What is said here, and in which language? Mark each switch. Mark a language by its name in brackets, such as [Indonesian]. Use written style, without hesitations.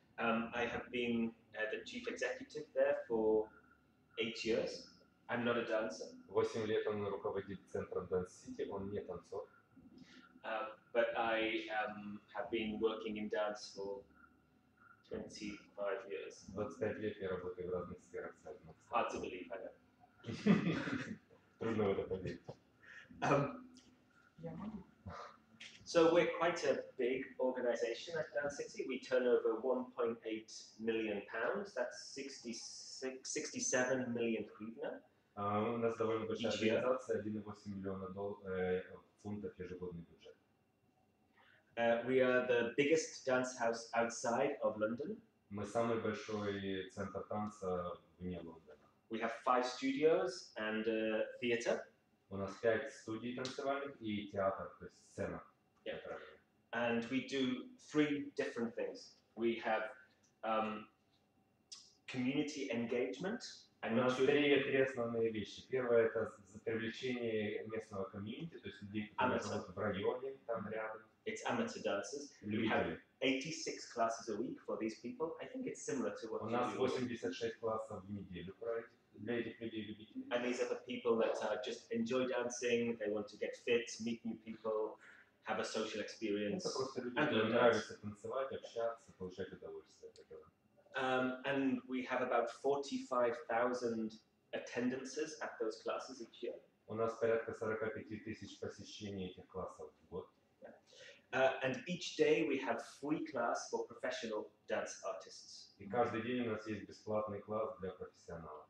[English] I have been the chief executive there for 8 years. I'm not a dancer. [Russian] 8 лет он руководит центром Dance City, он не танцор. [English] But I have been working in dance for 25 years. [Russian] 25 лет я работаю в разных сферах. [English] Hard to believe, I know. [Russian] Трудно в это поверить. [English] So we're quite a big organization at Dance City. We turn over £1.8 million. That's 67 million hryvnia. [Russian] У нас довольно большая организация, 1,8 миллиона фунтов ежегодный бюджет. [English] We are the biggest dance house outside of London. [Russian] Мы самый большой центр танца вне Лондона. [English] We have 5 studios and a theater. [Russian] У нас 5 студий танцевальных и театр, то есть сцена. [English] And we do 3 different things. We have community engagement. And [Russian] у нас три основные вещи. Первое это привлечение местного комьюнити, то есть людей, которые живут в районе, там рядом. [English] It's amateur dancers. [Russian] Любители. [English] We have 86 classes a week for these people. I think it's similar to what [Russian] у нас 86 классов в неделю для этих людей любителей. [English] And these are the people that just enjoy dancing. They want to get fit, meet new people. Have a social experience. And we have about 45,000 attendances at those classes each year. [Russian] У нас порядка 45,000 посещений этих классов в год. [English] And each day we have free class for professional dance artists. [Russian] И каждый день у нас есть бесплатный класс для профессионалов.